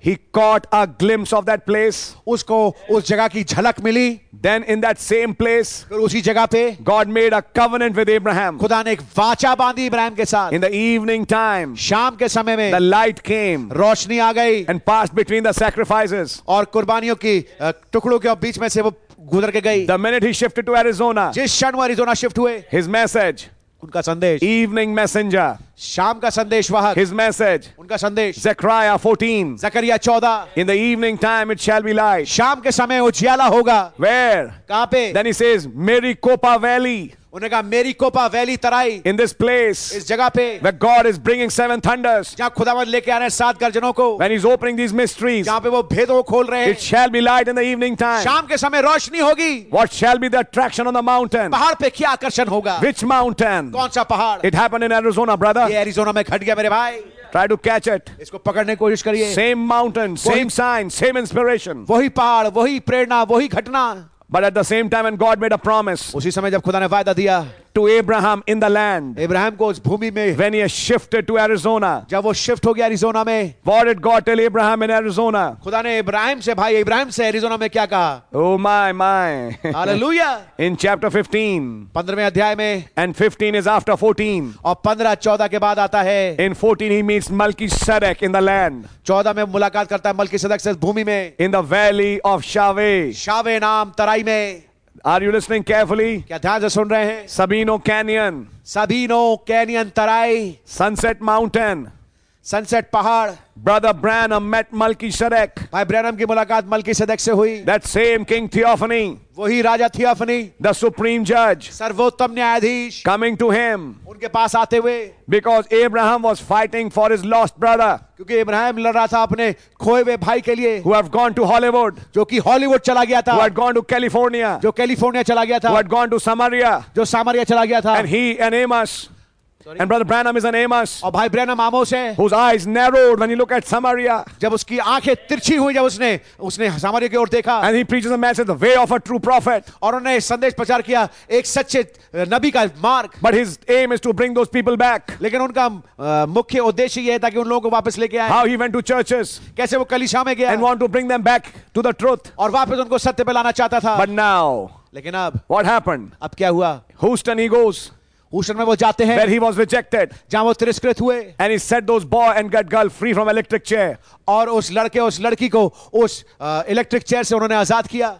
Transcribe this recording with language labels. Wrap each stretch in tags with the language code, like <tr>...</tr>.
<en>He caught a glimpse of that place.</en> <hi>उसको उस जगह की झलक मिली.</hi> <en>Then in that same place.</en> <hi>फिर उसी जगह पे.</hi> <en>God made a covenant with Abraham.</en> <hi>खुदा ने एक वाचा बांधी इब्राहिम के साथ.</hi> <en>In the evening time.</en> <hi>शाम के समय में.</hi> <en>The light came.</en> <hi>रोशनी आ गई.</hi> <en>And passed between the sacrifices.</en> <hi>और कुर्बानियों की टुकड़ों के बीच में से वो गुजर के गई.</hi> <en>The minute he shifted to Arizona.</en> <hi>जिस क्षण वो एरिजोना शिफ्ट हुए.</hi> <en>His message.</en> <hi>उनका संदेश.</hi> <en>Evening messenger.</en> <hi>शाम का संदेश वाहक.</hi> <en>His message.</en> <hi>उनका संदेश.</hi> <en>Zechariah 14.</en> <hi>Zakaria 14.</hi> <en>In the evening time it shall be light.</en> <hi>शाम के समय उजियाला होगा.</hi> <en>Where?</en> <hi>कहाँ पे?</hi> <en>Then he says, Maricopa Valley.</en> <hi>उन्होंने कहा मेरी Copa valley Terai</hi> <en>in this place</en> <hi>इस जगह पे</hi> <en>where God is bringing seven thunders</en> <hi>जहां खुदावंद लेके आ रहे हैं सात गर्जनों को</hi> <en>when he is opening these mysteries</en> <hi>जहां पे वो भेदों खोल रहे हैं</hi> <en>it shall be light in the evening time</en> <hi>शाम के समय रोशनी होगी</hi> <en>what shall be the attraction on the mountain</en> <hi>पहाड़ पे क्या आकर्षण होगा</hi> <en>which mountain</en> <hi>कौन सा पहाड़</hi> <en>it happened in Arizona brother</en> <hi>ये एरिजोना में घट गया मेरे भाई</hi> <en>Try to catch it.</en> <hi>इसको पकड़ने की कोशिश करिए.</hi> <en>Same mountain, same sign, same inspiration.</en> <hi>वही पहाड़, वही प्रेरणा, वही घटना.</hi> <en>But at the same time, when God made a promise.</en> <hi>उसी समय जब खुदा ने वादा दिया.</hi> <en>To Abraham in the land.</en> <hi>Abraham को उस भूमि में.</hi> <en>When he shifted to Arizona.</en> <hi>जब वो shift हो गया Arizona में.</hi> <en>What did God tell Abraham in Arizona?</en> <hi>खुदा ने इब्राहिम से भाई इब्राहिम से Arizona में क्या कहा?</hi> <en>Oh my my. Hallelujah. In chapter 15.</en> <hi>15वें अध्याय में.</hi> <en>And 15 is after 14.</en> <hi>और 15 14 के बाद आता है.</hi> <en>In 14 he meets Melchizedek in the land.</en> <hi>14 में मुलाकात करता है Melchizedek से भूमि में.</hi> <en>In the valley of Shaveh.</en> <hi>Shaveh नाम तराई में.</hi> <en>Are you listening carefully?</en> <hi>क्या ध्यान से सुन रहे हैं?</hi> <en>Sabino Canyon</en> <hi>तराई.</hi> <en>Sunset Mountain.</en> <hi>Sunset पहाड़.</hi> <en>Brother Branham met Melchizedek.</en> <hi>भाई ब्रैनम की मुलाकात Melchizedek से हुई.</hi> <en>That same King Theophany.</en> <hi>वही राजा Theophany.</hi> <en>The Supreme Judge.</en> <hi>सर्वोत्तम न्यायाधीश.</hi> <en>Coming to him.</en> <hi>उनके पास आते हुए.</hi> <en>Because Abraham was fighting for his lost brother.</en> <hi>क्योंकि इब्राहिम लड़ रहा था अपने खोए हुए भाई के लिए.</hi> <en>Who have gone to Hollywood.</en> <hi>जो कि हॉलीवुड चला गया था.</hi> <en>Who had gone to California.</en> <hi>जो कैलिफोर्निया चला गया था.</hi> <en>Who had gone to Samaria.</en> <hi>जो सामरिया चला गया था.</hi> <en>And he and Amos. And Brother Branham is an Amos.</en> <hi>और भाई ब्रैनम आमोस है.</hi> <en>Whose eyes narrowed when he looked at Samaria.</en> <hi>जब उसकी आंखें तिरछी हुई जब उसने सामरिया की ओर देखा.</hi> <en>And he preaches a message, the way of a true prophet.</en> <hi>और उन्होंने संदेश प्रचार किया एक सच्चे नबी का मार्ग.</hi> <en>But his aim is to bring those people back.</en> <hi>लेकिन उनका मुख्य उद्देश्य यह था कि उन लोगों को वापस लेके आए.</hi> <en>How he went to churches.</en> <hi>कैसे वो कलीसिया में गया.</hi> <en>And want to bring them back to the truth.</en> <hi>और वापस उनको सत्य पे लाना चाहता था.</hi> <en>But now.</en> <hi>लेकिन अब.</hi> <en>What happened?</en> <hi>अब क्या हुआ?</hi> <en>Houston he goes.</en> <hi>में वो जाते हैं</hi> <en>where he was rejected,</en> <hi>जहां वो तिरस्कृत हुए</hi> <en>and he set those boy and that girl free from electric chair.</en> <hi>और उस लड़के उस लड़की को उस इलेक्ट्रिक चेयर से उन्होंने आजाद किया</hi>